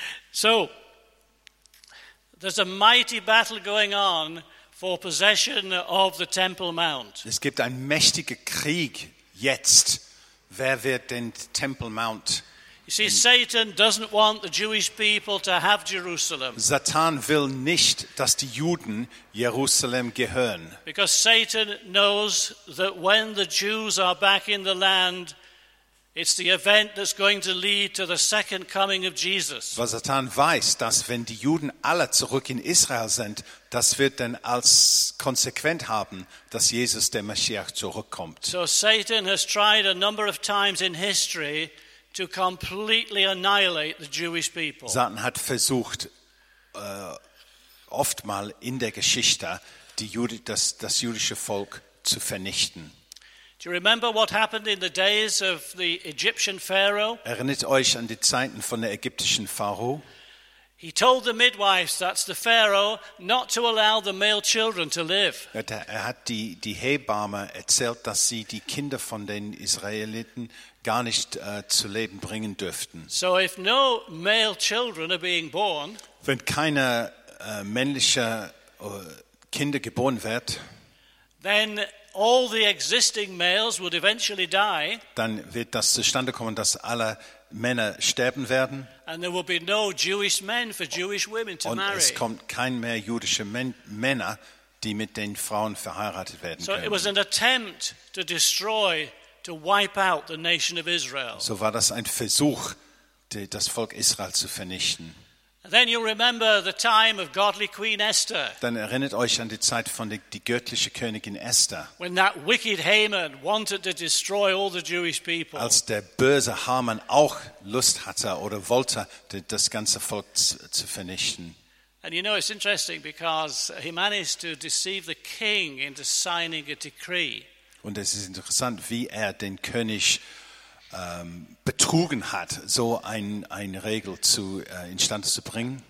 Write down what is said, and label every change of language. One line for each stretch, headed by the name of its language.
English: So there's a mighty battle going on for possession of the Temple Mount.
German: Es gibt einen mächtigen Krieg jetzt. Wer wird den Temple Mount?
English: You see, Satan doesn't want the Jewish people to have Jerusalem.
German: Satan will nicht, dass die Juden Jerusalem gehören.
English: Because Satan knows that when the Jews are back in the land, it's the event that's going to lead to the second coming of Jesus.
German: Weil Satan weiß, dass wenn die Juden alle zurück in Israel sind, das wird dann als konsequent haben, dass Jesus der Messias zurückkommt.
English: So Satan has tried a number of times in history to completely annihilate the Jewish people.
German: Satan hat versucht oftmals in der Geschichte das jüdische Volk zu vernichten.
English: Do you remember what happened in the days of the Egyptian Pharaoh?
German: Erinnert euch an die Zeiten von der ägyptischen Pharao?
English: He told the midwives, that's the Pharaoh, not to allow the male children to live.
German: Er hat die Hebamme erzählt, dass sie die Kinder von den Israeliten gar nicht zu Leben bringen dürften.
English: So if no male children are being born,
German: wenn keine männliche Kinder geboren wird,
English: then all the existing males would eventually die.
German: Dann wird das zustande kommen, dass alle Männer sterben werden.
English: And there will be no Jewish men for Jewish women to
German: und
English: marry.
German: Es kommt kein mehr jüdische Männer, die mit den Frauen verheiratet werden
English: so
German: können.
English: It was an attempt to destroy, to wipe out the nation of Israel.
German: So war das ein Versuch, das Volk Israel zu vernichten.
English: Then you remember the time of godly Queen Esther.
German: Dann erinnert euch an die Zeit von die göttliche Königin Esther.
English: When that wicked Haman wanted to destroy all the Jewish people.
German: Als der böse Haman auch Lust hatte oder wollte, das ganze Volk zu vernichten.
English: And you know it's interesting because he managed to deceive the king into signing a decree.
German: Und es ist interessant, wie den König betrogen hat, so eine Regel instande zu bringen.